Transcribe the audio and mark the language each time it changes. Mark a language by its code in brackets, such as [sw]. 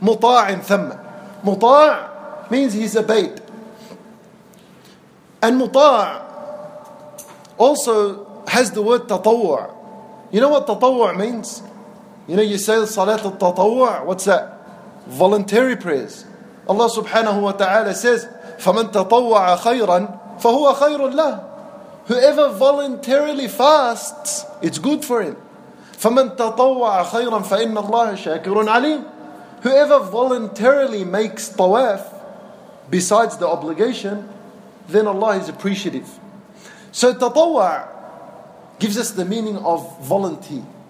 [en] Muta'in thamma. Muta' means he's obeyed. And muta' also has the word tatawwa'. You know what tatawwa' means? You know, you say salat al-tatawwa', what's that? Voluntary prayers. Allah subhanahu wa ta'ala says, [ar] فَمَنْ تَطَوَّعَ خَيْرًا فَهُوَ خَيْرٌ لَهُ. [en] Whoever voluntarily fasts, it's good for him. [ar] فَمَنْ تَطَوَّعَ خَيْرًا فَإِنَّ اللَّهَ شَاكِرٌ عَلِيمٌ. [en] Whoever voluntarily makes tawaf, besides the obligation, then Allah is appreciative. So tatawwa' gives us the meaning of volunteer.